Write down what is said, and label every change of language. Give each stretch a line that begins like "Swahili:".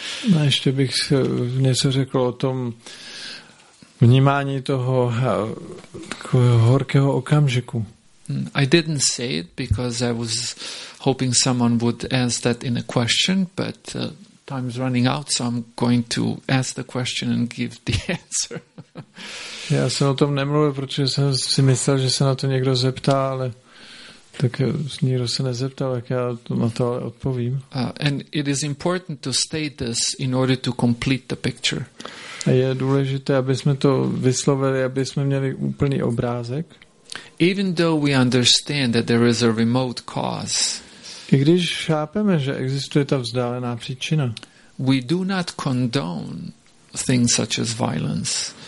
Czech: No, ještě bych něco řekl o tom vnímání toho horkého okamžiku.
English: I didn't say it because I was hoping someone would ask that in a question, but time is running out, so I'm going to ask the question and give the answer.
Czech: Já jsem o tom nemluvil, protože jsem si myslel, že se na to někdo zeptá, ale tak nikdo se nezeptal, tak já na to ale odpovím.
English: And it is important to state this in order to complete the picture.
Czech: A je důležité, aby jsme to vyslovili, aby jsme měli úplný obrázek.
English: Even though we understand that there is a remote cause.
Czech: I když chápeme, že existuje ta vzdálená příčina.
English: We do not condone things such as violence.